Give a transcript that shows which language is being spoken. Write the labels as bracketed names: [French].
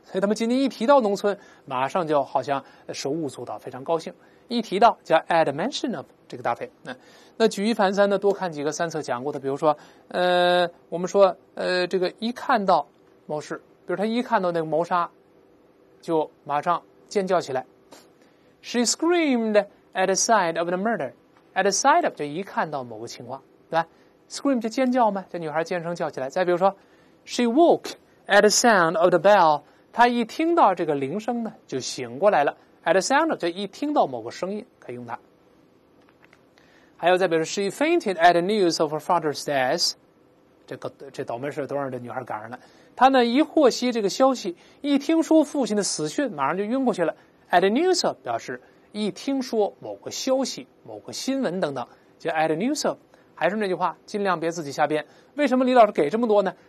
[Chinese] 所以他们仅仅一提到农村，马上就好像手舞足蹈，非常高兴。一提到叫 [English] add mention of [Chinese] 这个搭配，那举一反三的多看几个三册讲过的，比如说我们说这个一看到谋士，比如他一看到那个谋杀就马上尖叫起来。 [English] She screamed at the sight of the murder. At the sight of [Chinese] 就一看到某个情况，对吧？Scream 就尖叫嘛，这女孩尖声叫起来。再比如说 [English] She woke at the sound of the bell. [Chinese] 她一听到这个铃声呢就醒过来了。 [English] At the sound [Chinese] 就一听到某个声音，可以用它。还有再比如 [English] She fainted at the news of her father's death. [Chinese] 这倒霉事都让这女孩赶上了。她呢一获悉这个消息，一听说父亲的死讯，马上就晕过去了。 [English] At the news of [Chinese] 表示一听说某个消息、某个新闻等等，就 [English] at the news of。 [Chinese] 还是那句话，尽量别自己瞎编。为什么李老师给这么多呢？